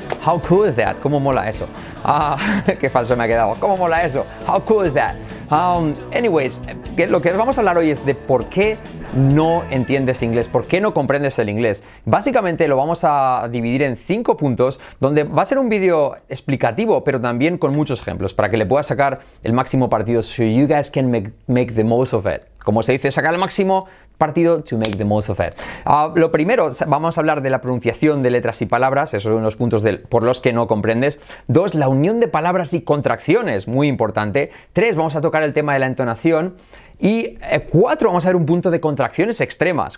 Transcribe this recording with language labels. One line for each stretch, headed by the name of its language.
English: How cool is that?
Spanish: ¿Cómo mola eso? Ah, qué falso me ha quedado. ¿Cómo mola eso? How cool is that?
English: Anyways,
Spanish: lo que vamos a hablar hoy es de por qué no entiendes inglés, por qué no comprendes el inglés. Básicamente lo vamos a dividir en 5 puntos, donde va a ser un vídeo explicativo, pero también con muchos ejemplos, para que le puedas sacar el máximo partido.
English: So you guys can make the most of it.
Spanish: Como se dice, sacar el máximo partido,
English: to make the most of it.
Spanish: Lo primero, vamos a hablar de la pronunciación de letras y palabras. Esos son los puntos por los que no comprendes. Dos, la unión de palabras y contracciones, muy importante. Tres, vamos a tocar el tema de la entonación. Y cuatro, vamos a ver un punto de contracciones extremas.